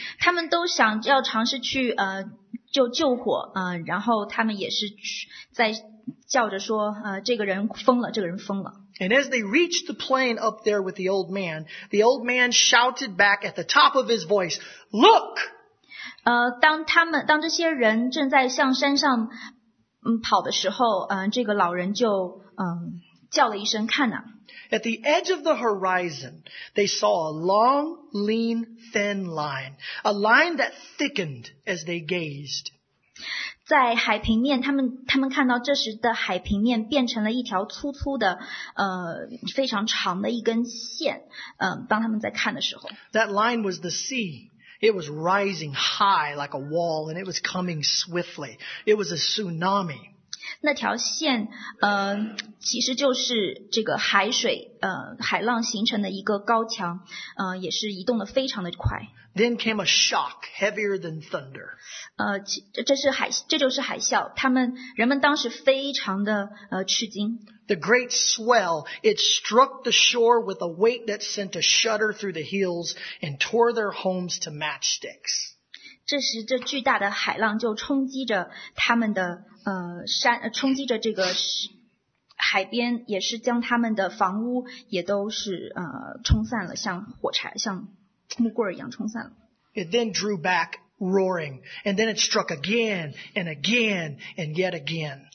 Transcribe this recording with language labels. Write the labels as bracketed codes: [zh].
[zh] 他们都想要尝试去救火然后他们也是在叫着说这个人疯了，这个人疯了。 [en] And as they reached the plain up there with the old man shouted back at the top of his voice, look! [zh] 当这些人正在向山上跑的时候这个老人就叫了一声看哪。 [en] At the edge of the horizon, they saw a long, lean, thin line, a line that thickened as they gazed. [zh] 在海平面他们看到这时的海平面变成了一条粗粗的非常长的一根线当他们在看的时候。 [en] That line was the sea. It was rising high like a wall and it was coming swiftly. It was a tsunami. [zh] 那条线其实就是这个海水海浪形成的一个高墙也是移动的非常的快。 [en] Then came a shock heavier than thunder. [zh] 这就是海啸。人们当时非常的吃惊。 [en] The great swell, it struck the shore with a weight that sent a shudder through the hills and tore their homes to matchsticks. [zh] 这时这巨大的海浪就冲击着他们的山冲击着这个海边也是将他们的房屋也都是冲散了像火柴像木棍一样冲散了。 [en] It then drew back roaring, and then it struck again and again and yet again.